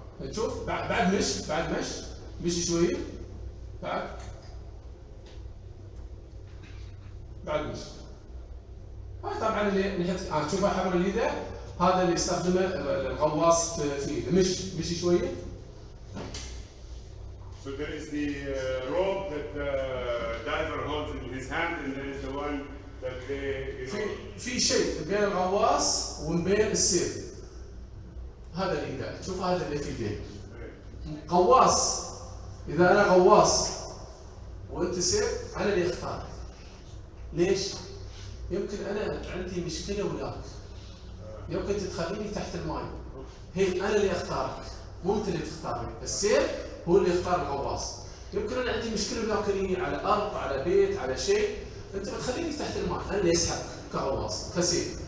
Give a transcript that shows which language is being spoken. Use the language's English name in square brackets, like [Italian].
[Arabic] تشوف بعد مش مشي شوية بعد مشي هاي طبعا اللي نحط تشوفها حبر اليدة هذا اللي يستخدمه الغواص فيه مشي شوية [English] So there is the rope that the diver holds in his hand and there is the one that they [Arabic] في شيء بين الغواص وبين السير هذا اليدة شوف هذا اللي في يديه غواص إذا أنا غواص وأنت سير أنا اللي اختار ليش؟ يمكن أنا عندي مشكلة وياك يمكن تخليني تحت الماي هي أنا اللي اختارك مو أنت اللي تختارني السير هو اللي اختار الغواص يمكن أنا عندي مشكلة وياك على أرض على بيت على شيء أنت بتخليني تحت الماي أنا اللي أسحب كغواص كسير